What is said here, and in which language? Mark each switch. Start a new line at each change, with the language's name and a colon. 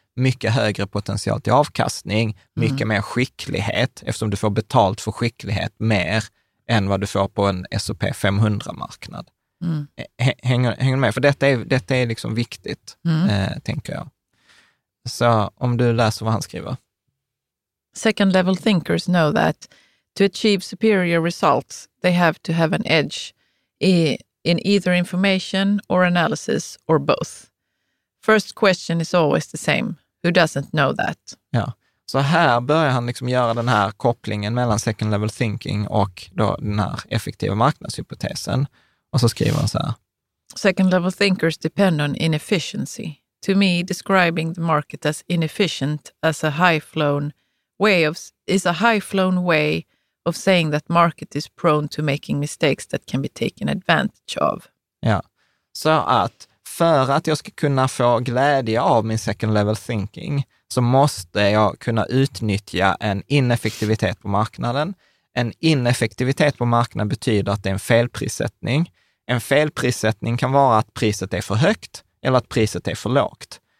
Swedish: Mycket högre potential till avkastning, mycket mer skicklighet eftersom du får betalt för skicklighet mer än vad du får på en S&P 500-marknad. Mm. Hänger med? För detta är liksom viktigt, tänker jag. Så om du läser vad han skriver.
English: Second level thinkers know that to achieve superior results they have to have an edge in either information or analysis or both. First question is always the same. Who doesn't know that?
Swedish: Ja, så här börjar han liksom göra den här kopplingen mellan second level thinking och då den här effektiva marknadshypotesen. Och så skriver han så här.
English: Second level thinkers depend on inefficiency. To me, describing the market as inefficient as a high-flown way of is a high-flown way of saying that market is prone to making mistakes that can be taken advantage of.
Swedish: Ja, så att för att jag ska kunna få glädje av min second level thinking så måste jag kunna utnyttja en ineffektivitet på marknaden. En ineffektivitet på marknaden betyder att det är en felprissättning. En felprissättning kan vara att priset är för högt eller att priset är för lågt.